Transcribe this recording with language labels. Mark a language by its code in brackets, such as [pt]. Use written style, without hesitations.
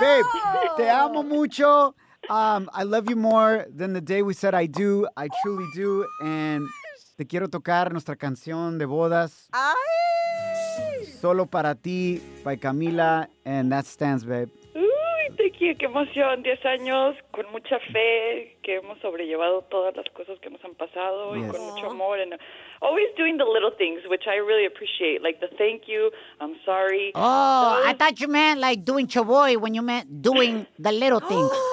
[es] Babe, te amo mucho. [en] I love you more than the day we said I do. [es] I truly do and te quiero tocar nuestra canción de bodas. Ay. [en] Solo para ti, by Camila, and that stands, babe. [es] Uy, te quiero, qué emoción. 10 años, con mucha fe, que hemos sobrellevado todas las cosas que nos han pasado, [en] yes. [es] Y con mucho amor. [en] And always doing the little things, which I really appreciate, like the thank you, I'm sorry. Oh, I thought you meant like doing chavoy when you meant doing the little things.